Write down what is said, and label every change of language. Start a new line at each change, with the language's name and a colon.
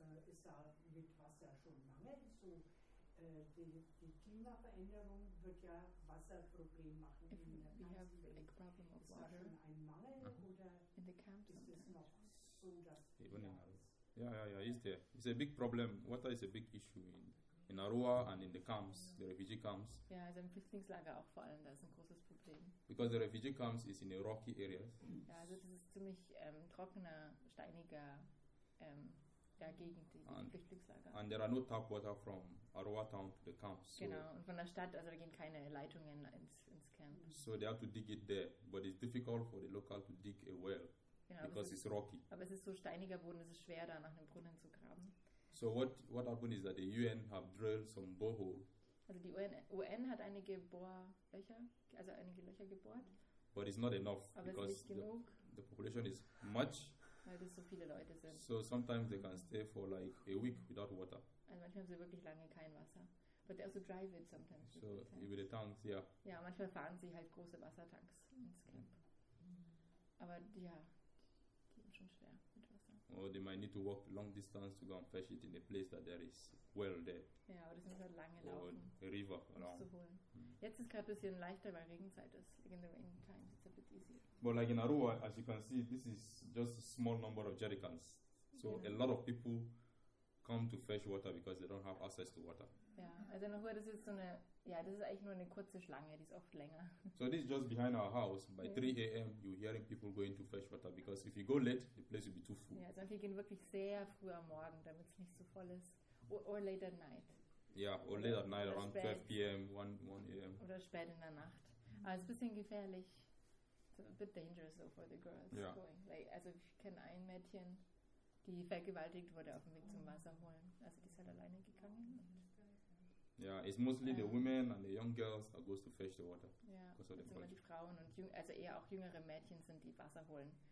German: Ist da mit Wasser schon lange so? Die Klimaveränderung wird ja Wasserproblem machen.
English: If
German: in der
English: have a big problem of water,
German: ist da schon ein Mangel oder
English: in the camps
German: ist es noch so, dass
English: even in Yeah, it's there. It's a big problem. Water is a big issue in Arua and in the camps, the refugee camps.
German: Yeah, also im Flüchtlingslager auch vor allem, das ist ein großes Problem.
English: Because the refugee camps is in a rocky areas.
German: Ja, also das ist ziemlich trockener, steiniger Gegend, die Flüchtlingslager.
English: And there are no tap water from Arua town to the camps. So
German: genau, und von der Stadt, also da gehen keine Leitungen ins Camp.
English: So they have to dig it there, but it's difficult for the local to dig a well.
German: Genau,
English: because it's rocky.
German: Aber es ist so steiniger Boden, es ist schwer, da nach einem Brunnen zu graben.
English: So what happened is that the UN have drilled some borehole
German: Also die UN hat einige Bohrlöcher, also einige Löcher gebohrt.
English: But it's not enough.
German: Aber
English: because
German: es ist nicht genug.
English: The population is much.
German: Weil das so viele Leute sind.
English: So sometimes they can stay for like a week without water.
German: Also manchmal haben sie wirklich lange kein Wasser.
English: But they also drive it sometimes.
German: So über die Tanks, ja. Yeah. Ja, manchmal fahren sie halt große Wassertanks ins Camp. Aber ja, die sind schon schwer mit Wasser.
English: Or they might need to walk long distance to go and fetch it in a place that there is well there.
German: Ja, aber das muss halt lange laufen.
English: Or a river around.
German: Jetzt ist gerade ein bisschen leichter, weil Regenzeit ist.
English: Like in the rain times, it's a bit easier. But like in Aruba, as you can see, this is just a small number of jerrycans. So yeah. A lot of people come to fetch water because they don't have access to water.
German: Ja, also in Aruba, das ist so eine, ja, das ist eigentlich nur eine kurze Schlange, die ist oft länger.
English: So this is just behind our house. By 3 a.m. you're hearing people going to fetch water because if you go late, the place will be too full.
German: Ja, also wir gehen wirklich sehr früh am Morgen, damit es nicht so voll ist.
English: Or late at night. Ja, yeah, or late at night, around 12 p.m., 1 a.m.
German: Oder spät in der Nacht. Aber es ist ein bisschen gefährlich.
English: It's a bit dangerous though for the girls going.
German: Like, also ich kenne ein Mädchen, die vergewaltigt wurde auf dem Weg zum Wasser holen. Also die ist halt alleine gegangen.
English: Ja, yeah, it's mostly the women and the young girls that goes to fetch the water.
German: Ja, yeah, also immer die Frauen und also eher auch jüngere Mädchen sind, die Wasser holen.